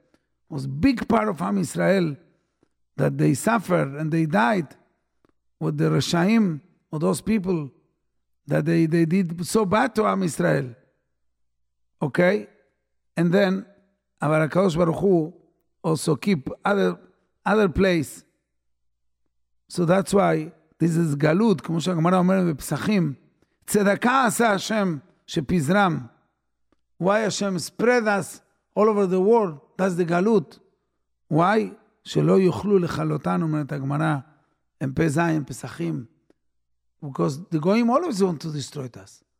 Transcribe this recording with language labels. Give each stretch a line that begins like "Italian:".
English: It was a big part of Am Yisrael that they suffered and they died with the Rashaim or those people that they did so bad to Am Yisrael. Okay? And then, Aval HaKadosh Baruch Hu also keep other place. So that's why this is Galut,
Hebrew: כמו שהגמרא אומרת בפסחים, צדקה עשה השם שפזרם.
English: Why Hashem spread us all over the world? That's the Galut. Why?
Hebrew: שלא יוכלו לחלותנו, אומרת הגמרא, הם פזעים, פסחים.
English: Because the going always want to destroy us.